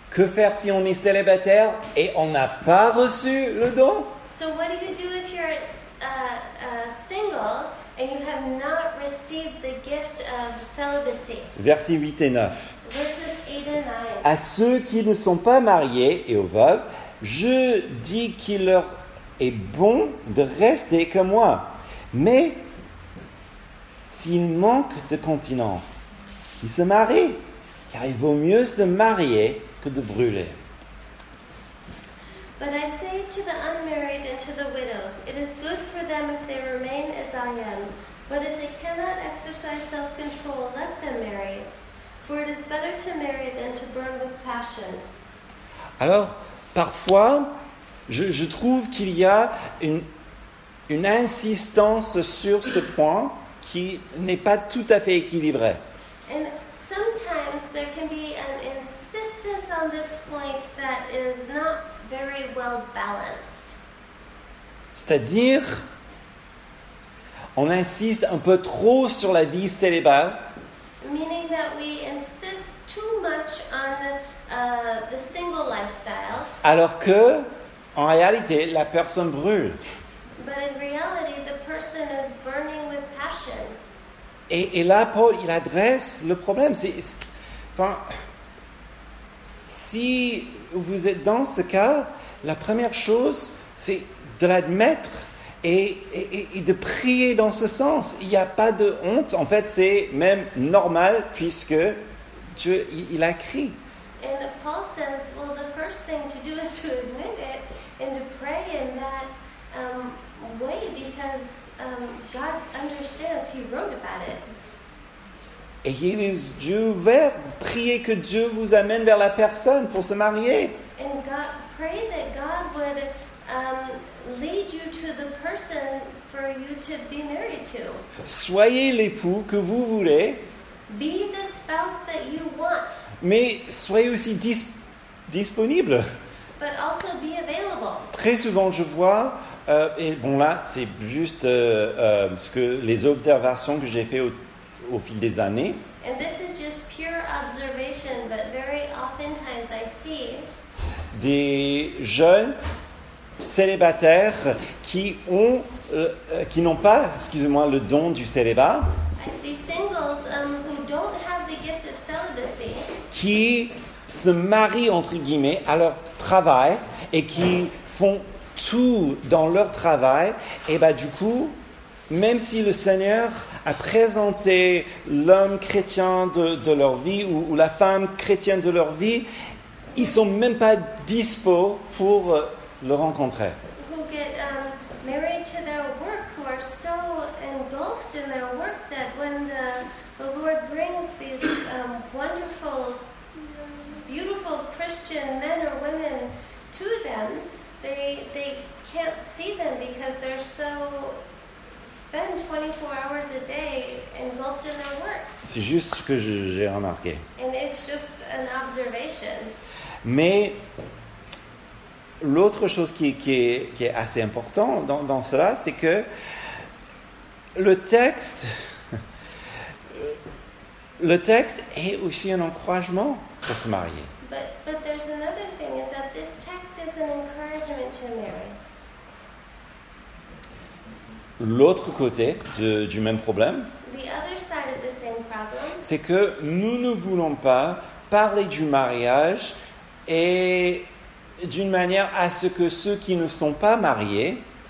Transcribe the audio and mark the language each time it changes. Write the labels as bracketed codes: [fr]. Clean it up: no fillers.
[fr] Que faire si on est célibataire et on n'a pas reçu le don? [en] So what do you do if you're single and you have not received the gift of celibacy? [fr] Versets 8 et 9. [en] Verses 8 and 9. [fr] À ceux qui ne sont pas mariés et aux veuves, je dis qu'il leur est bon de rester comme moi. Mais s'il manque de continence, qu'il se marie, car il vaut mieux se marier que de brûler. [en] But I say to the unmarried and to the widows, it is good for them if they remain as I am. But if they cannot exercise self-control, let them marry. For it is better to marry than to burn with passion. [fr] Alors, parfois, je trouve qu'il y a une insistance sur ce point qui n'est pas tout à fait équilibrée. [en] And sometimes there can be an insistence on this point that is not very well balanced. [fr] C'est-à-dire, on insiste un peu trop sur la vie célibataire. [en] Meaning that we insist too much on the single lifestyle. [fr] Alors que, en réalité, la personne brûle. [en] But in reality, the person is burning with passion. [fr] Et là, Paul, il adresse le problème. Enfin, si vous êtes dans ce cas, la première chose, c'est de l'admettre et de prier dans ce sens. Il n'y a pas de honte. En fait, c'est même normal puisque Dieu, il a crié. [en] Et Paul says, well, the first thing to do is to admit it and to pray in that way because God understands, he wrote about it. [fr] Ayez les yeux ouverts, priez que Dieu vous amène vers la personne pour se marier. [en] And God, pray that God would lead you to the person for you to be married to. [fr] Soyez l'époux que vous voulez. [en] Be the spouse that you want. [fr] Mais soyez aussi disponible. [en] But also be available. [fr] Très souvent, je vois, et bon là, c'est juste ce que les observations que j'ai fait au fil des années. [en] And this is just pure observation, but very oftentimes I see [fr] des jeunes célibataires qui ont, qui n'ont pas, excusez-moi, le don du célibat. [en] I see singles who don't have the gift of celibacy. [fr] Qui se marient entre guillemets à leur travail et qui font tout dans leur travail, et bah du coup, même si le Seigneur a présenté l'homme chrétien de leur vie ou la femme chrétienne de leur vie, ils sont même pas dispo pour le rencontrer. [en] Who get married to their work, who are so engulfed in their work that when the Lord brings these wonderful beautiful Christian men or women to them, they can't see them because they're so spend 24 hours a day engulfed in their work. [fr] C'est juste ce que j'ai remarqué. [en] And it's just an observation. [fr] Mais l'autre chose qui est assez important dans cela, c'est que le texte est aussi un encouragement pour se marier. [en] But there's another thing is that this text is an encouragement to marry. [fr] L'autre côté du même problème, [en] the other side of the same problem, [fr] c'est que nous ne voulons pas parler du mariage et d'une manière à ce que ceux qui ne sont pas mariés